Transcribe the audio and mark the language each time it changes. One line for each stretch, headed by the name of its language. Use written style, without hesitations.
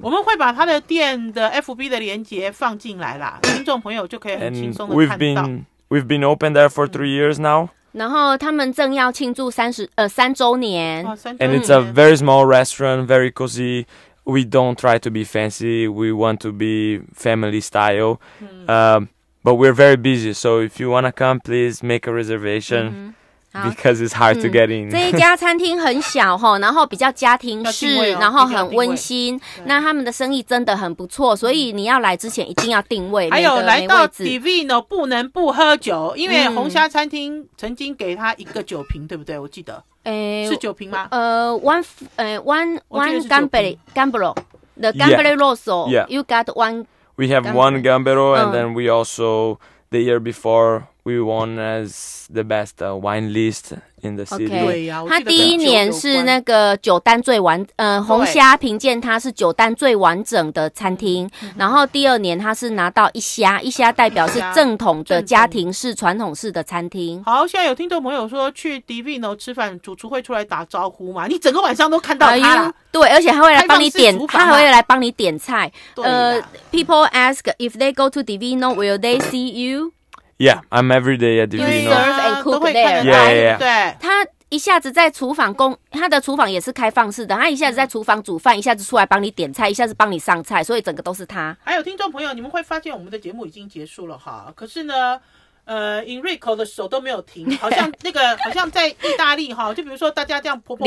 Chinese: 我们会把他的店的 FB 的连结放进来啦，听众朋友就可以很轻松的看到。
English: And we've been open there for 3 years now、
Chinese: 嗯、然后他们正要庆祝三周年、哦、三周年。
English: And it's a very small restaurant, very cozy. We don't try to be fancy, we want to be family style、嗯、 but we're very busy, so if you want to come please make a reservation、嗯 Because it's hard to get in.、
Chinese: 嗯、这一家餐厅很小齁，然后比较家庭式，然后很温馨。那他们的生意真的很不错，所以你要来之前一定要定位。还有来到 Divino 不能不喝酒，因为红虾餐厅曾经给他一个酒瓶，对不对？我记得，是酒瓶吗？
English: One Gambero, the Gambero Rosso. Yeah, you got one. We have one Gambero, and then we also the year before. We won as the best wine list in the city.
Chinese: Okay, 他第一年是那个酒单最完，红虾评鉴他是酒单最完整的餐厅。然后第二年他是拿到一虾，一虾代表是正统的家庭式、传统式的餐厅。好，现在有听众朋友说去 Divino 吃饭，主厨会出来打招呼吗？你整个晚上都看到他了。对，而且他会来帮你点，他还会来帮你点菜。
English: People ask if they go to Divino, will they see you? Yeah, I'm every day at Divino. You serve and cook there. Yeah.
Chinese: 对，他一下子在厨房工，他的厨房也是开放式的。他一下子在厨房煮饭，一下子出来帮你点菜，一下子帮你上菜，所以整个都是他。还有听众朋友，你们会发现我们的节目已经结束了哈，可是呢。 Enrico 的手都没有停，好像那个好像在意大利哈，就比如说大家这样婆婆